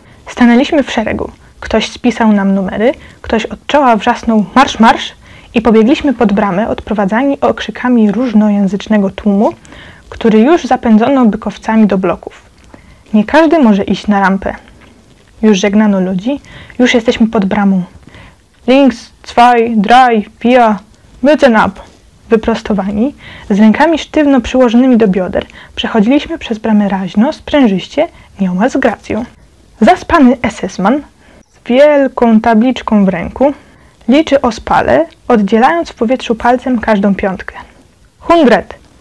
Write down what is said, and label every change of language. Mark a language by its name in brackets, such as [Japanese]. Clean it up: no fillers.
[Polish] Stanęliśmy w szeregu. Ktoś spisał nam numery, ktoś od czoła wrzasnął marsz, marsz i pobiegliśmy pod bramę, odprowadzani okrzykami różnojęzycznego tłumu, który już zapędzono bykowcami do bloków. Nie każdy może iść na rampę. Już żegnano ludzi, już jesteśmy pod bramą. [German] Links, zwei, drei, vier, müssen ab. [Polish] Wyprostowani, z rękami sztywno przyłożonymi do bioder, przechodziliśmy przez bramę raźno, sprężyście, nieomal z gracją. Zaspany SS-man z wielką tabliczką w ręku liczy ospale, oddzielając w powietrzu palcem każdą piątkę. [English] Hundred!